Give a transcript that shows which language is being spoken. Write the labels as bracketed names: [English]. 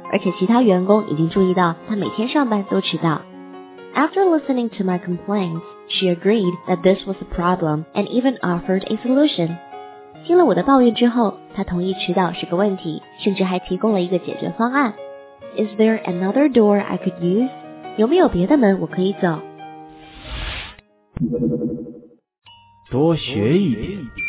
[Chinese] 而且其他员工已经注意到她每天上班都迟到。 [English] After listening to my complaints, she agreed that this was a problem and even offered a solution. [Chinese] 听了我的抱怨之后,她同意迟到是个问题,甚至还提供了一个解决方案。 [English] Is there another door I could use? [Chinese] 有没有别的门我可以走? 多学一点。